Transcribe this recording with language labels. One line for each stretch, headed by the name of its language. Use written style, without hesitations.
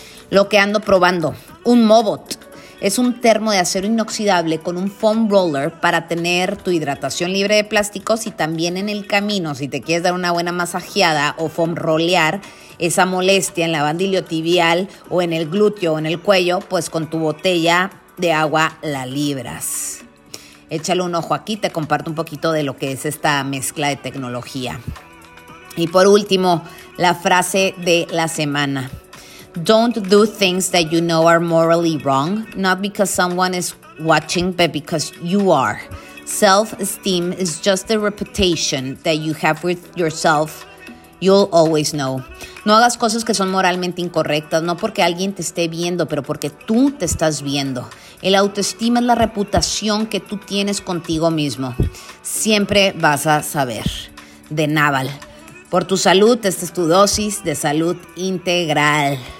Spanish: Lo que ando probando, un Mobot. Es un termo de acero inoxidable con un foam roller para tener tu hidratación libre de plásticos, y también en el camino, si te quieres dar una buena masajeada o foam rolear esa molestia en la banda iliotibial o en el glúteo o en el cuello, pues con tu botella de agua la libras. Échale un ojo aquí, te comparto un poquito de lo que es esta mezcla de tecnología. Y por último, la frase de la semana.
English: Don't do things that you know are morally wrong, not because someone is watching, but because you are. Self-esteem is just the reputation that you have with yourself. You'll always know.
Spanish: No hagas cosas que son moralmente incorrectas, no porque alguien te esté viendo, pero porque tú te estás viendo. El autoestima es la reputación que tú tienes contigo mismo. Siempre vas a saber. De Naval. Por tu salud, esta es tu dosis de salud integral.